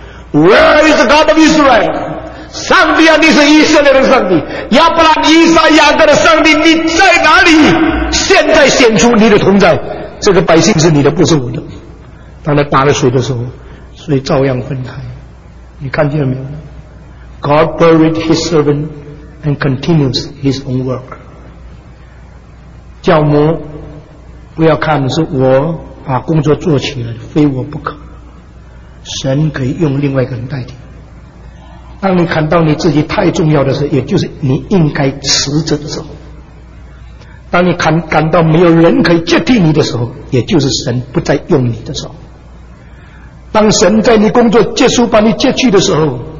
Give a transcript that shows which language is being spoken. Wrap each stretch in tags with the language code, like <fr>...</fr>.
<en>Where is the God of Israel?</en> <zh>上帝啊，你是以色列的上帝，亚伯拉罕以撒雅各的上帝，你在哪里？现在显出你的同在，这个百姓是你的，不是我的。当他打了水的时候，水照样分开，你看见了没有？</zh> <en>God buried his servant and continues his own work。</en> <zh>教母不要看是我把工作做起来，非我不可，神可以用另外一个人代替。当你看到你自己太重要的时候，也就是你应该辞职的时候，当你感到没有人可以接替你的时候，也就是神不再用你的时候。当神在你工作结束把你接去的时候，</zh>